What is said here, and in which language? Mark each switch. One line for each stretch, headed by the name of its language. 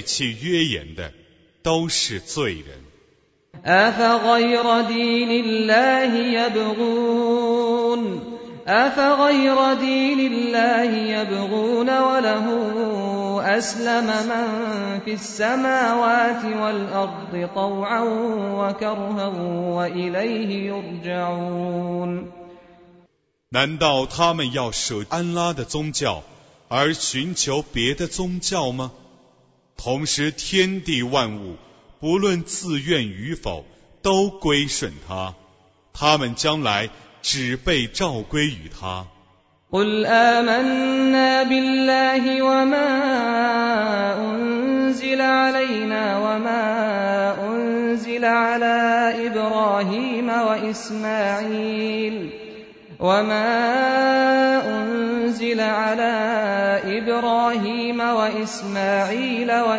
Chinese: 此后，凡背弃约言的，都是罪人。
Arabic: أفغير دين الله يبغون أفغير دين الله يبغون وله أسلم من في السماوات والأرض طوعا وكرها وإليه يرجعون
Chinese: 难道他们要舍安拉的宗教 而寻求别的宗教吗？同时天地万物， 不论自愿与否， 都归顺他， 他们将来只被照归于他。
Arabic: قل آمنا بالله وما أنزل علينا وما أنزل على إبراهيم وإسماعيل وما أنزل على إبراهيم وإسماعيل